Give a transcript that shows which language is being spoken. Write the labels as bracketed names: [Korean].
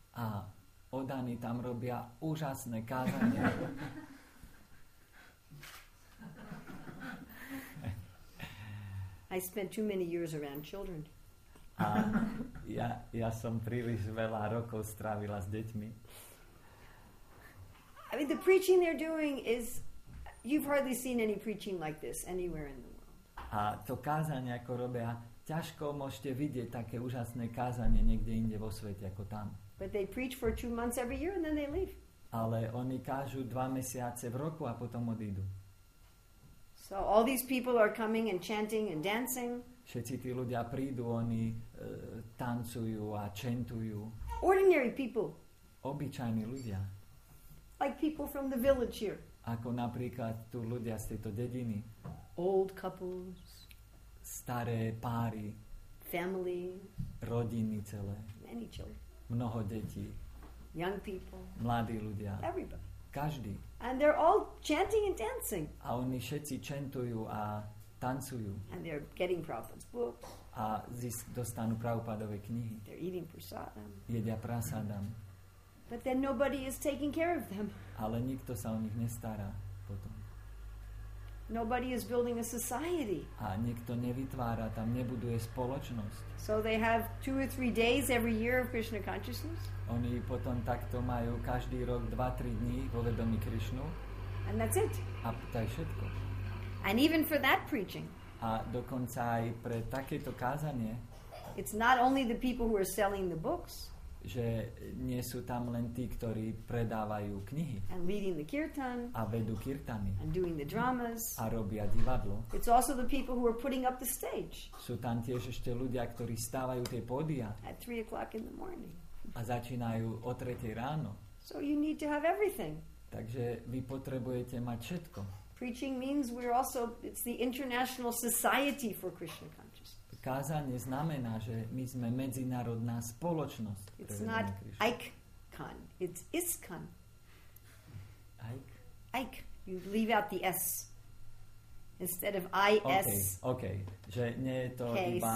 [Slovak] A oddaní tam robia úžasné kázanie. [English] I spent too many years around children. [Slovak] A ja som príliš veľa rokov strávila s deťmi. [English] I mean, the preaching they're doing is, you've hardly seen any preaching like this anywhere in the world. [Slovak] A to kázanie, ako robia, ťažko môžete vidieť také úžasné kázanie niekde inde vo svete ako tam. [English] But they preach for 2 months every year and then they leave. [Slovak] Ale oni kážu 2 mesiace v roku a potom odídu. [English] So all these people are coming and chanting and dancing. [Slovak] Všetci tí ľudia prídu, oni tancujú a chantujú. [English] Ordinary people. [Slovak] Obyčajní ľudia. [English] Like people from the village here. [Slovak] Ako napríklad tu ľudia z tejto dediny. [English] Old couples. [Slovak] Staré páry. [English] Family. [Slovak] Rodiny celé. [English] Many children. [Slovak] Mnoho detí. [English] Young people. [Slovak] Mladí ľudia. [English] Everybody. [Slovak] Každý. [English] And they're all chanting and dancing. [Slovak] A oni všetci chantujú a tancujú. [English] And they're getting Prabhupada's books. [Slovak] A dostanú Prabhupadove knihy. [English] They're eating prasadam. [Slovak] Jedia prasadam. [English] But then nobody is taking care of them. [Slovak] Ale nikto sa o nich nestará potom. [English] Nobody is building a society. [Slovak] A nikto nevytvára, tam nebuduje spoločnosť. [English] So they have 2 or 3 days every year of Krishna consciousness. [Slovak] Oni potom takto majú každý rok 2-3 dní vo vedomí Krishnu. [English] And that's it. [Slovak] A to je všetko. [English] And even for that preaching. [Slovak] A dokonca aj pre takéto kázanie. [English] It's not only the people who are selling the books. [Slovak] Že nie sú tam len tí, ktorí predávajú knihy. [English] And leading the kirtan. [Slovak] A vedú kirtany. [English] And doing the dramas. [Slovak] A robia divadlo. [English] It's also the people who are putting up the stage. [Slovak] Sú tam tiež ešte ľudia, ktorí stávajú tie pódia. [English] At 3 o'clock in the morning. [Slovak] A začínajú o 3 ráno. [English] So you need to have everything. [Slovak] Takže vy potrebujete mať všetko. [English] Preaching means we're also, it's the international society for Krishna consciousness. [Slovak] Kázanie znamená, že my sme medzinárodná spoločnosť. [English] It's not ICON, it's ISKCON. ICON. You leave out the S. Instead of [Slovak] Okay. Že nie je to iba